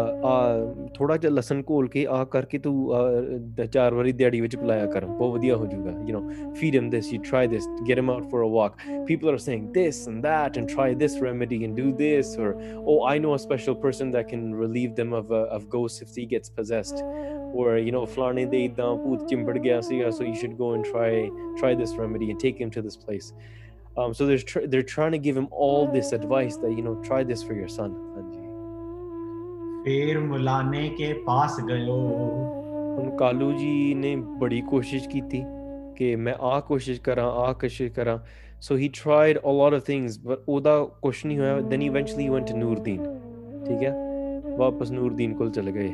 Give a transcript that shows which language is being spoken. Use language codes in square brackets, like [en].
[pa] ਆ ਥੋੜ੍ਹਾ ਜਿਹਾ ਲਸਣ ਘੋਲ ਕੇ ਆ ਕਰਕੇ ਤੂੰ ਚਾਰ ਵਾਰੀ ਦਿਹਾੜੀ ਵਿੱਚ ਪਲਾਇਆ ਕਰ, ਬਹੁਤ ਵਧੀਆ ਹੋ ਜੂਗਾ, [en] you know, feed him this, you try this, get him out for a walk, people are saying this and that and try this remedy and do this, or oh I know a special person that can relieve them of ghost if he gets possessed, or you know [pa] ਫਲਾਣੇ ਦੇ ਇਦਾਂ ਭੂਤ ਚਿੰਬੜ ਗਿਆ ਸੀਗਾ, [en] So you should go and try this remedy and take him to this place. So they're trying to give him all this advice that, you know, try this for your son. [pa] ਫੇਰ ਮੁਲਾਨੇ ਕੇ ਪਾਸ ਗਇਓ। ਹੁਣ ਕਾਲੂ ਜੀ ਨੇ ਬੜੀ ਕੋਸ਼ਿਸ਼ ਕੀਤੀ ਕਿ ਮੈਂ ਆਹ ਕੋਸ਼ਿਸ਼ ਕਰਾਂ, ਆਹ ਕੋਸ਼ਿਸ਼ ਕਰਾਂ, [en] so he tried a lot of things, [pa] but ਉਹਦਾ ਕੁਛ ਨਹੀਂ ਹੋਇਆ। [en] then eventually he went to [pa] Nuruddin, ਠੀਕ ਹੈ, ਵਾਪਸ ਨੂਰਦੀਨ ਕੋਲ ਚਲੇ ਗਏ।